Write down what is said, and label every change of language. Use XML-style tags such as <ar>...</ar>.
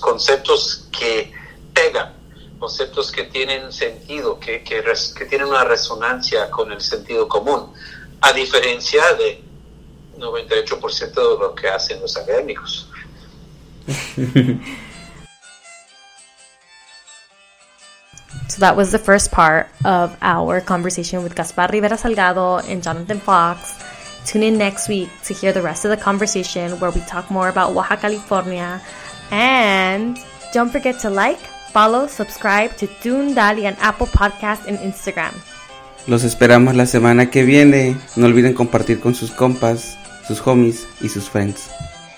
<es>Conceptos que pegan, conceptos que tienen sentido, que tienen una resonancia con el sentido común, a diferencia de 98% de lo que hacen los académicos.</es> <en>So that was the first part of our conversation with Gaspar Rivera Salgado and Jonathan Fox. Tune in next week to hear the rest of the conversation, where we talk more about Oaxaca, California. And don't forget to like, Follow, subscribe to Tune Dali on Apple Podcasts and Instagram.</en> <es>Los esperamos la semana que viene. No olviden compartir con sus compas, sus homies y sus friends.</es>